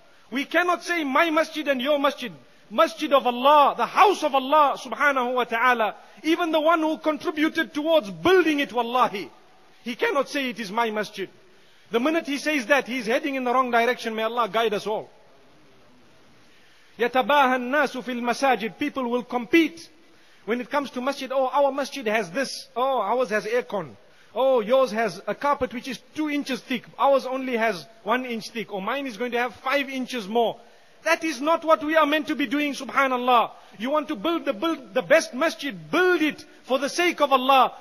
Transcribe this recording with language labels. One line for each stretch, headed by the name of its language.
English: We cannot say my masjid and your masjid. Masjid of Allah, the house of Allah subhanahu wa ta'ala. Even the one who contributed towards building it, wallahi. He cannot say it is my masjid. The minute he says that, he's heading in the wrong direction. May Allah guide us all.
Arabic: يَتَبَاهَ النَّاسُ فِي الْمَسَاجِدِ
English: People will compete. When it comes to masjid, oh, our masjid has this. Oh, ours has aircon. Oh, yours has a carpet which is 2 inches thick. Ours only has 1 inch thick. Or mine is going to have 5 inches more. That is not what we are meant to be doing, subhanallah. You want to build the best masjid, build it for the sake of Allah.